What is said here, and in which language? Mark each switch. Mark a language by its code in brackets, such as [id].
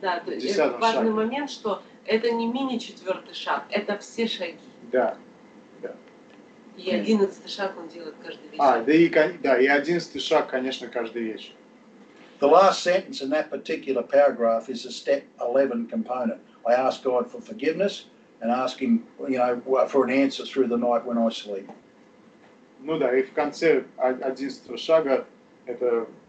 [ru] Да, то есть важный момент, что это не мини-четвертый шаг, это все шаги. Да. И одиннадцатый шаг он делает каждый вечер. Да, и одиннадцатый шаг, конечно, каждый вечер. [en] The last sentence in that particular paragraph is a step 11 component. I ask God for forgiveness and ask Him, you know, for an answer through the night when I sleep. [ru] Ну да, и в конце 11-го шага это